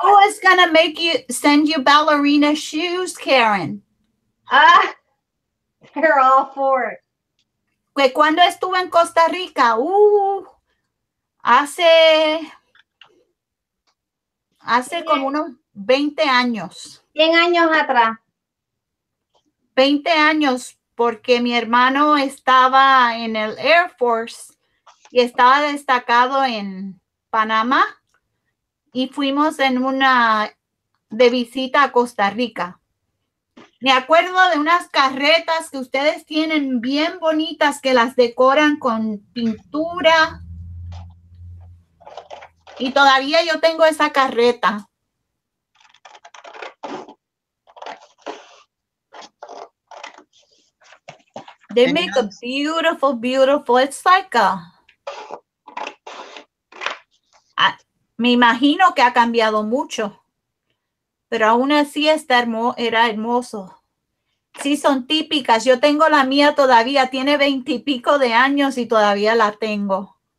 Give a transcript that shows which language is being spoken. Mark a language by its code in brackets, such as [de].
[en] Who is going to make you send you ballerina shoes, Karen? Ah, they're all for it. [es] Cuando estuve en Costa Rica, hace como unos 20 años. 100 años atrás. 20 años, porque mi hermano estaba en el Air Force y estaba destacado en Panamá. Y fuimos en una de visita a Costa Rica. Me acuerdo de unas carretas que ustedes tienen bien bonitas, que las decoran con pintura. Y todavía yo tengo esa carreta. [en] They make a beautiful, beautiful, it's like a... [es] Me imagino que ha cambiado mucho, pero aún así era hermoso. Sí, son típicas. Yo tengo la mía todavía. Tiene 20 y pico de años y todavía la tengo.